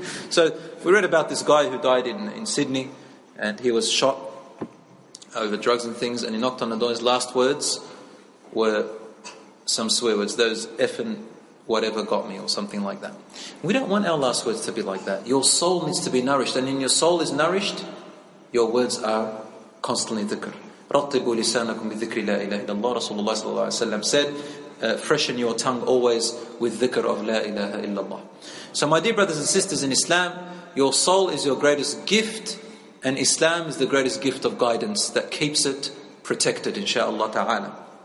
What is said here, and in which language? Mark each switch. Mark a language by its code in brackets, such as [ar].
[en] So we read about this guy who died in Sydney, and he was shot over drugs and things, and he knocked on the door. His last words were some swear words, those effing whatever got me or something like that. We don't want our last words to be like that. Your soul needs to be nourished, and when your soul is nourished, your words are constantly dhikr. [ar] رَطِّبُوا لِسَانَكُمْ بِذِكْرِ لَا إِلَهِ إِلَّا اللَّهِ رَسُولُ اللَّهِ صَلَى اللَّهِ عَلَيْهِ وَسَلَّمْ [en] said, freshen your tongue always with dhikr of La ilaha illallah. So my dear brothers and sisters in Islam, your soul is your greatest gift, and Islam is the greatest gift of guidance that keeps it protected, inshaAllah ta'ala.